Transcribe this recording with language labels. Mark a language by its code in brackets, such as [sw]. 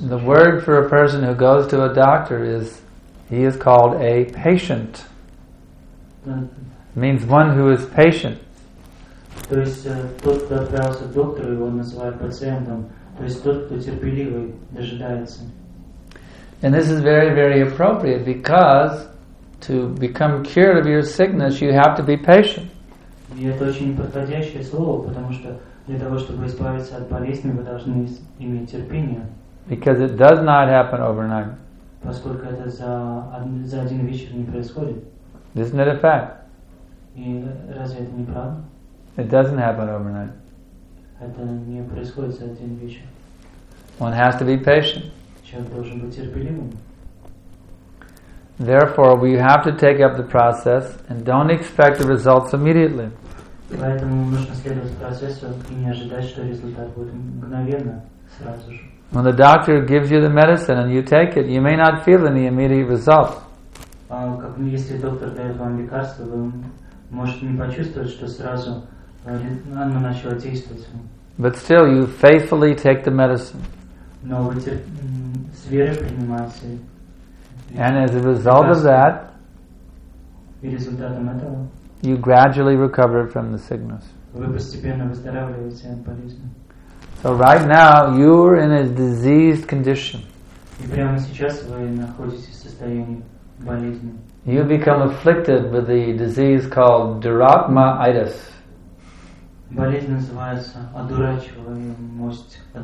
[en] The word for a person who goes to a doctor is, he is called a patient. Means one who is patient. [ru] То есть тот, кто отправился к доктору, его называют пациентом. То есть тот, кто терпеливый, дожидается. [en] And this is very, very appropriate because to become cured of your sickness, you have to be patient. [ru] И это очень подходящее слово, потому что для того, чтобы избавиться от болезни, вы должны иметь терпение. [en] Because it does not happen overnight. [ru] Поскольку это за один вечер не происходит. [en] Isn't that a fact? [ru] И разве это не правда? [en] It doesn't happen overnight. [ru] Это не происходит за один вечер. [en] One has to be patient. [ru] Человек должен быть терпеливым. [en] Therefore, we have to take up the process and don't expect the results immediately. [ru] Поэтому нужно следовать процессу и не ожидать, что результат будет мгновенно, сразу же. [en] When the doctor gives you the medicine and you take it, you may not feel any immediate result. [ru] Если доктор дает вам лекарство, вы можете не почувствовать, что сразу оно начало действовать. [en] But still, you faithfully take the medicine. [ru] Но вы с верой принимаете. [en] And as a result of that, [ru] и результатом этого, [en] you gradually recover from the sickness. [ru] Вы постепенно выздоравливаете от болезни. [en] So right now you're in a diseased condition. [ru] И прямо сейчас вы находитесь в состоянии болезни. [en] You become afflicted with the disease called Dorotmaitis. [ru] Болезнь называется одурачивая мость.